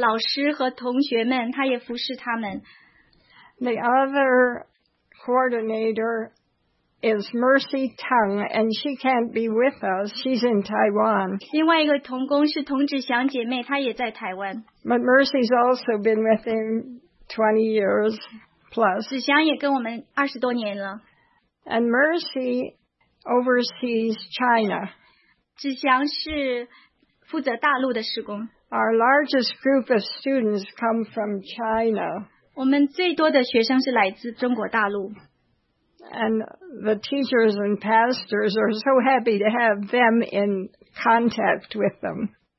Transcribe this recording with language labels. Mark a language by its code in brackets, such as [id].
[zh] Emma虽然没有被案例，但是她就像牧师一样，她也联络台湾的老师和同学们，她也服侍他们。 [en] The other coordinator is Mercy Tung, and she can't be with us. She's in Taiwan. [zh] 另外一个同工是童志祥姐妹，她也在台湾。 [en] But Mercy's also been with him 20 years plus. [zh] 志祥也跟我们20多年了。 [en] And Mercy oversees China. [zh] 志祥是负责大陆的事工。 [en] Our largest group of students come from China. [zh] 我们最多的学生是来自中国大陆。 [en] And the teachers and pastors are so happy to have them in contact with them.